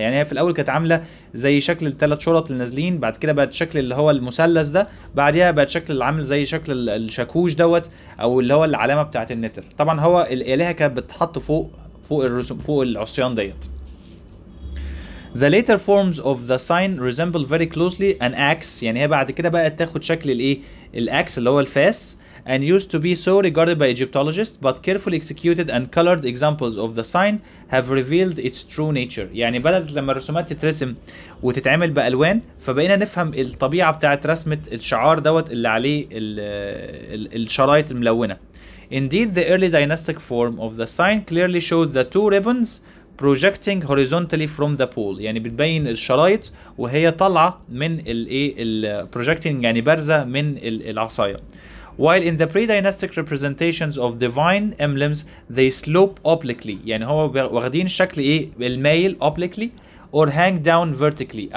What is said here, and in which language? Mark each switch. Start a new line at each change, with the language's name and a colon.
Arabic: يعني هي في الاول كانت عامله زي شكل الثلاث شرط اللي نازلين، بعد كده بقت شكل اللي هو المثلث ده، بعديها بقت شكل العامل زي شكل الشاكوش دوت او اللي هو العلامه بتاعه النتر. طبعا هو الالهه كانت بتتحط فوق الرسم، فوق العصيان ديت.
English: The later forms of the sign resemble very closely an axe.
Arabic: يعني هي بعد كده بقت تاخد شكل الايه، الاكس اللي هو الفاس.
English: And used to be so regarded by Egyptologists, but carefully executed and colored examples of the sign have revealed its true nature.
Arabic: يعني بدأت لما الرسومات تترسم وتتعمل بألوان، فبقينا نفهم الطبيعة بتاعت رسمة الشعار دوت اللي عليه الشرايط الملونة.
English: Indeed, the early dynastic form of the sign clearly shows the two ribbons projecting horizontally from the pole.
Arabic: يعني بتبين الشرايط وهي طالعة من projecting، يعني بارزة من العصاية.
English: While in the pre-dynastic representations of divine emblems, they slope obliquely.
Arabic: يعني هو واخدين شكل ايه؟ المايل
English: obliquely or hang down vertically.